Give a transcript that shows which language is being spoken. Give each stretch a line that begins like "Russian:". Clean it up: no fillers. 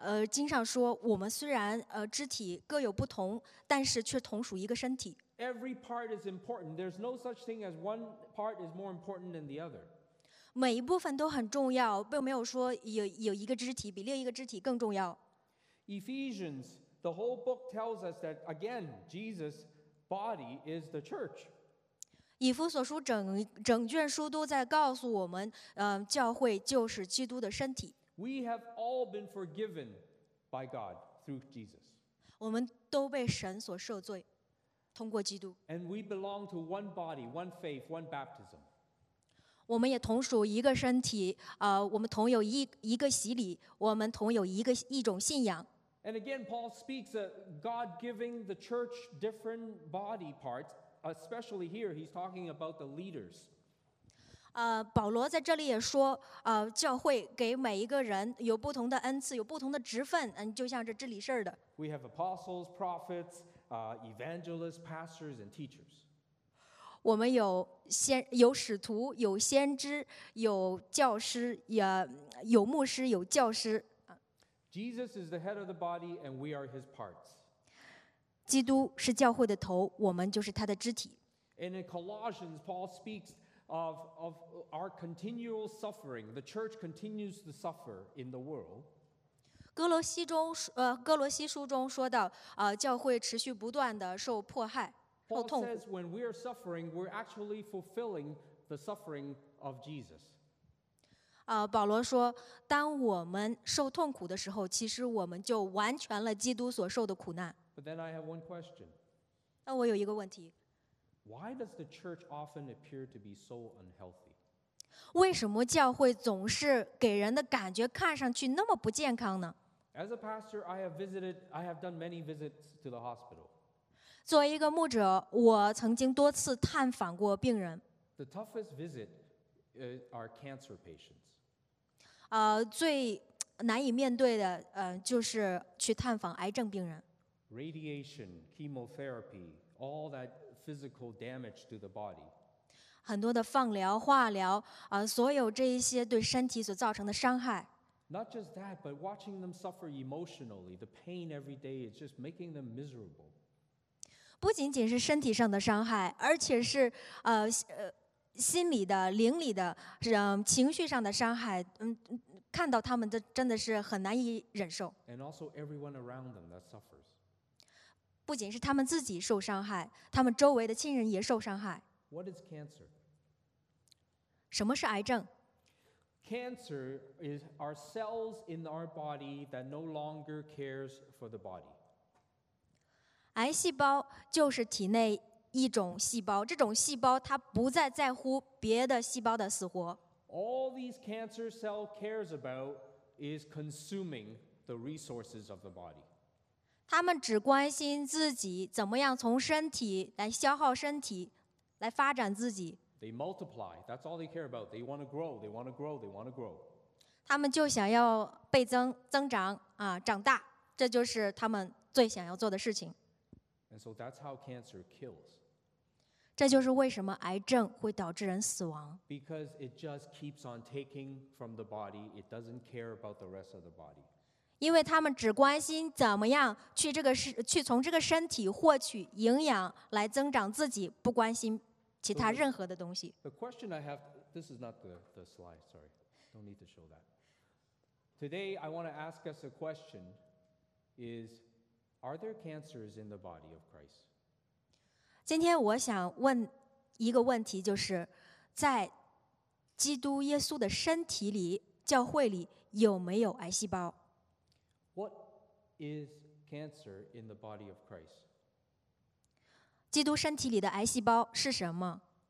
Chinese: 经上说，我们虽然肢体各有不同，但是却同属一个身体。
English: Every part is important. There's no such thing as one part is more important than the other.
Chinese: 每一部分都很重要，并没有说有一个肢体比另一个肢体更重要。
English: Ephesians, the whole book tells us that again, Jesus' body is the church.
Chinese: 以弗所书 整卷书都在告诉我们，教会就是基督的身体。
English: We have all been forgiven by God through Jesus.
Chinese: 我们都被神所赦罪，通过基督。
English: And we belong to one body, one faith, one baptism.
Chinese: 我们也同属一个身体，我们同有一个洗礼，我们同有一种信仰。
English: And again, Paul speaks of God giving the church different body parts. Especially here, he's talking about the leaders.
Chinese: 保罗在这里也说，教会给每一个人有不同的恩赐，有不同的职分，就像这治理事的。
English: We have apostles, prophets, evangelists, pastors, and teachers.
Chinese: 我们有使徒，有先知，有教师，有牧师，有教师。
English: Jesus is the head of the body, and we are his parts.
Chinese: 基督是教会的头，我们就是他的肢体。
English: And in Colossians, Paul speaks of our continual suffering. The church continues to suffer in the world.
Chinese: 哥罗西书中说到，教会持续不断的受迫害、受痛苦。
English: Paul says when we are suffering, we're actually fulfilling the suffering of Jesus.
Chinese: 保罗说，当我们受痛苦的时候，其实我们就完全了基督所受的苦难。
English: But then I have one question.
Chinese: 那我有一个问题。
English: Why does the church often appear to be so unhealthy?
Chinese: 为什么教会总是给人的感觉看上去那么不健康呢？
English: As a pastor, I have done many visits to the hospital.
Chinese: 作为一个牧者，我曾经多次探访过病人。
English: The toughest visit are cancer patients.
Chinese: 最难以面对的，就是去探访癌症病人。
English: Radiation, chemotherapy, all that. Physical damage to the body.
Chinese: 很多的放疗、化疗，所有这一些对身体所造成的伤害。
English: Not just that, but watching them suffer emotionally, the pain every day is just making them miserable.
Chinese: 不仅仅是身体上的伤害，而且是心理的、灵里的、情绪上的伤害。看到他们的真的是很难以忍受。
English: And also everyone around them that suffers.
Chinese: 不仅是他们自己受伤害，他们周围的亲人也受伤害。
English: What is cancer?
Chinese: 什么是癌症？
English: Cancer is our cells in our body that no longer cares for the body.
Chinese: 癌细胞就是体内一种细胞，这种细胞它不再在乎别的细胞的死活。
English: All these cancer cells care about is consuming the resources of the body.
Chinese: 他们只关心自己怎么样从身体来消耗身体，来发展自己。
English: They multiply. That's all they care about. They want to grow. They want to grow. They want to grow.
Chinese: 他们就想要倍增、增长啊，长大，这就是他们最想要做的事情。
English: And so that's how cancer kills.
Chinese: 这就是为什么癌症会导致人死亡。
English: Because it just keeps on taking from the body. It doesn't care about the rest of the body.
Chinese: 因为他们只关心怎么样去从这个身体获取营养来增长自己，不关心其他任何的东西。
English: The question I have, this is not the slide, sorry, don't need to show that. Today I want to ask us a question: Is are there cancers in the body of Christ?
Chinese: 今天我想问一个问题，就是在基督耶稣的身体里，教会里有没有癌细胞？
English: What is cancer in the body of Christ?
Chinese: 基督身体里的癌细胞是什么？